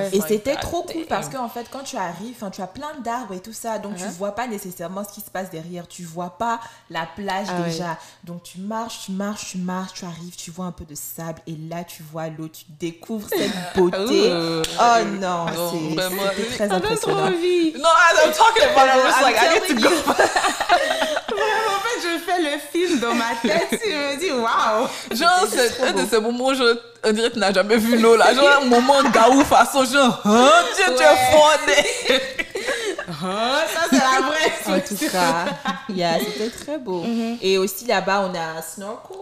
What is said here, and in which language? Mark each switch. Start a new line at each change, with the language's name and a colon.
French: Et c'était trop cool parce qu'en fait, quand tu arrives, tu as plein d'arbres et tout ça. Donc, tu ne vois pas nécessairement ce qui se passe derrière. Tu ne vois pas la plage déjà. Ouais. Donc, tu marches, tu arrives, tu vois un peu de sable. Et là, tu vois l'eau, tu découvres cette beauté. Oh non, non c'est très impressionnant. J'ai trop envie.
English: Non, I'm talking about it. I'm just like, I need to go.
French: Je fais le film dans ma tête, je me dis waouh! Genre, c'est un de ces moments où on dirait que tu n'as jamais vu l'eau là. Genre, un moment gaouf à son genre, oh Dieu, tu es fondé! Ça, c'est la vraie En tout cas, yeah, c'était très beau. Mm-hmm. Et aussi là-bas, on a snorkel.